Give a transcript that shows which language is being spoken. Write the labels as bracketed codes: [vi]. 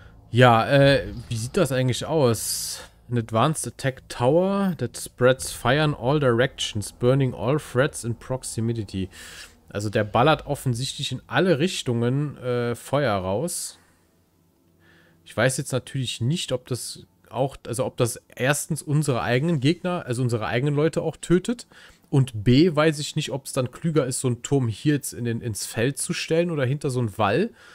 [de] Ja, wie sieht das eigentlich aus? [en] An advanced attack tower that spreads fire in all directions, burning all threats in proximity. [de] Also der ballert offensichtlich in alle Richtungen Feuer raus. Ich weiß jetzt natürlich nicht, ob das auch, also ob das erstens unsere eigenen Gegner, also unsere eigenen Leute auch tötet. Und B, weiß ich nicht, ob es dann klüger ist, so einen Turm hier jetzt ins Feld zu stellen oder hinter so einen Wall.